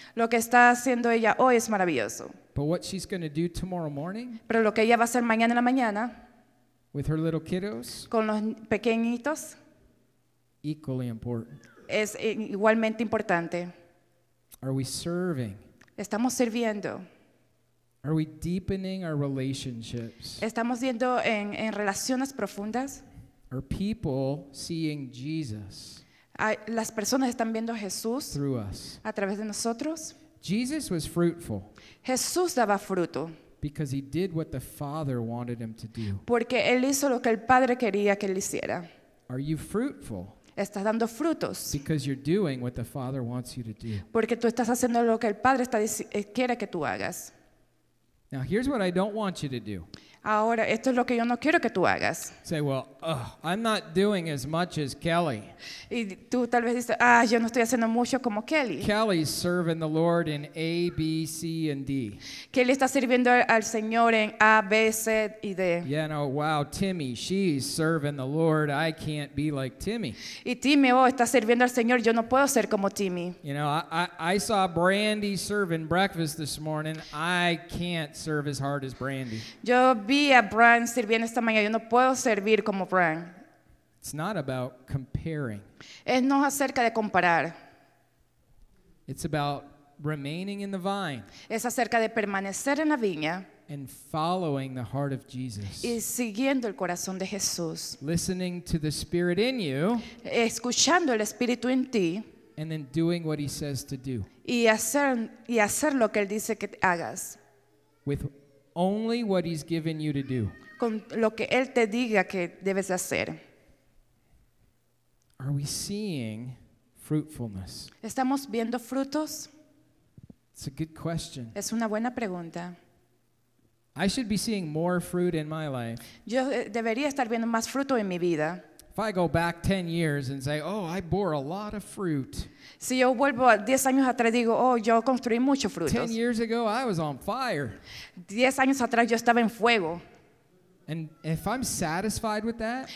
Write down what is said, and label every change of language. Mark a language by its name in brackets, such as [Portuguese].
[Spanish] Lo que está haciendo ella hoy es maravilloso. [English] But what she's going to do tomorrow morning? [Spanish] Pero lo que ella va a hacer mañana en la mañana. [English] With her little kiddos. [Spanish] Con los pequeñitos. [English] Equally important. [Spanish] Es igualmente importante. [English] Are we serving? [Spanish] Estamos sirviendo. [English] Are we deepening our relationships? [Spanish] Estamos yendo en relaciones profundas. [English] Are people seeing Jesus? [Spanish] Las personas están viendo a Jesús. [English] Through us. [Spanish] A través de nosotros. [English] Jesus was fruitful. [Spanish] Jesús daba fruto. [English] Because he did what the Father wanted him to do. [Spanish] Porque él hizo lo que el Padre quería que él hiciera. [English] Are you fruitful? [Spanish] Estás dando frutos. [English] Because you're doing what the Father wants you to do. [Spanish] Porque tú estás haciendo lo que el Padre quiere que tú hagas. [English] Now here's what I don't want you to do. [Spanish] Ahora esto es lo que yo no quiero que tú hagas. [English] Say, well, I'm not doing as much as Kelly. [Spanish] Y tú tal vez dices, yo no estoy haciendo mucho como Kelly. [English] Kelly's serving the Lord in A, B, C, and D. [Spanish] Kelly está sirviendo al Señor en A, B, C y D. [English] Yeah, no, wow, Timmy, she's serving the Lord. I can't be like Timmy. [Spanish] Y Timmy, está sirviendo al Señor. Yo no puedo ser como Timmy. [English] You know, I saw Brandy serving breakfast this morning. I can't serve as hard as Brandy. [Spanish] Yo vi a Bran sirviendo esta mañana. Yo no puedo servir como Bran. [English] It's not about comparing. [Spanish] Es no acerca de comparar. [English] It's about remaining in the vine. [Spanish] Es acerca de permanecer en la viña. [English] And following the heart of Jesus. [Spanish] Y siguiendo el corazón de Jesús. [English] Listening to the Spirit in you. [Spanish] Escuchando el Espíritu en ti. [English] And then doing what he says to do. [Spanish] Y hacer lo que él dice que hagas. [English] With only what he's given you to do. [Spanish] Con lo que él te diga que debes hacer. [English] Are we seeing fruitfulness? [Spanish] ¿Estamos viendo frutos? [English] It's a good question. [Spanish] Es una buena pregunta. [English] I should be seeing more fruit in my life. [Spanish] Yo debería estar viendo más fruto en mi vida. [English] If I go back 10 years and say, oh, I bore a lot of fruit. [Spanish] Si yo vuelvo 10 años atrás digo, yo construí mucho fruto. [English] 10 years ago, I was on fire. [Spanish] 10 años atrás yo estaba en fuego. [English] And if I'm satisfied with that,